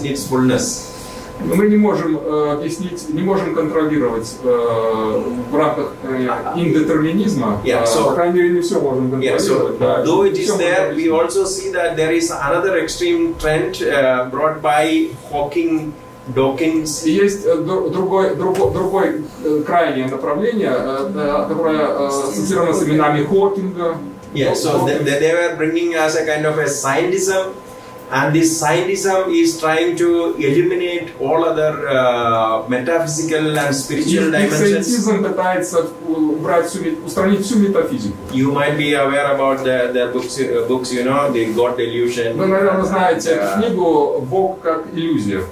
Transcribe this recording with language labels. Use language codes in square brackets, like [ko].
[ru] мы не можем объяснить не можем контролировать в рамках индетерминизма по крайней мере не все можем контролировать [en] though it is there we also see that there is another extreme trend brought by Hawking Dawkins. [ru] Есть другое крайнее направление, которое ассоциировано с именами Хокинга. [en] Yeah, so they were bringing us a kind of a scientism, and this scientism is trying to eliminate all other metaphysical and spiritual dimensions. [ru] Scientism пытается устранить всю метафизику. [en] You might be aware about the books, you know, the God Delusion. [ru] Вы, наверное, знаете книгу «Бог как иллюзия».